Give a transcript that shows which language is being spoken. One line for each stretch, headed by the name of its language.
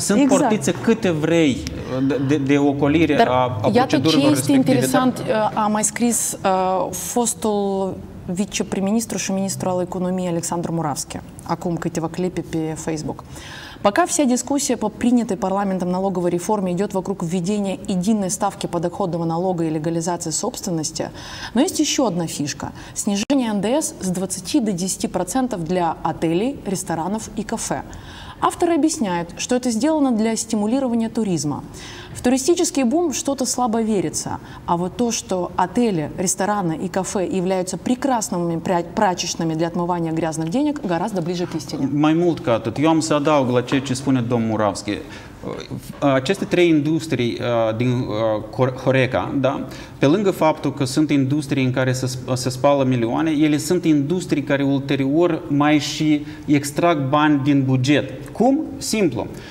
Romanian: Sunt portițe câte vrei de ocolire a procedurilor respective. Iată ce este interesant, a mai scris fostul viceprim-ministru și ministru al economiei Alexandru Muravski, acum câteva clipe pe Facebook.
Russian: Пока вся дискуссия по принятой парламентом налоговой реформе идет вокруг введения единой ставки подоходного налога и легализации собственности, но есть еще одна фишка – снижение НДС с 20 до 10% для отелей, ресторанов и кафе. Авторы объясняют, что это сделано для стимулирования туризма. В туристический бум что-то слабо верится. А вот то, что отели, рестораны и кафе являются прекрасными прачечными для отмывания грязных денег, гораздо ближе к истине.
Romanian: Mai mult ca atât. Eu am să adaug la ceea ce spune domnul Муравский. Aceste trei industrii din Horeca, da, pe lângă faptul că sunt industrii în care se spală milioane, ele sunt industrii care ulterior mai și extrag bani din buget. Cum? Simplu.